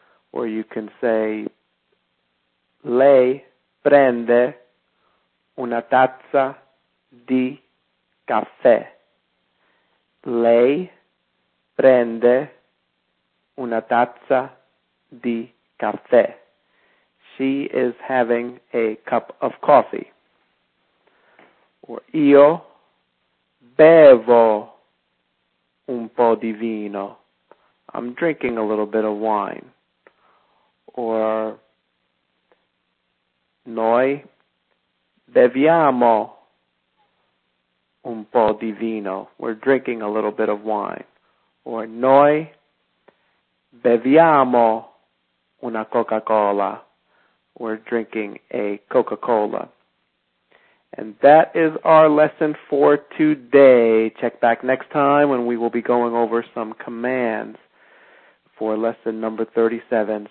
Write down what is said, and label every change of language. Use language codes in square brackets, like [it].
[en] Or you can say, [it] lei prende una tazza di caffè. Lei prende una tazza di caffè. [en] She is having a cup of coffee. Or [it] io bevo un po' di vino. [en] I'm drinking a little bit of wine. [it] Or noi beviamo un po' di vino. [en] We're drinking a little bit of wine. [it] Or noi beviamo una Coca-Cola. [en] We're drinking a Coca-Cola. And that is our lesson for today. Check back next time when we will be going over some commands for lesson number 37.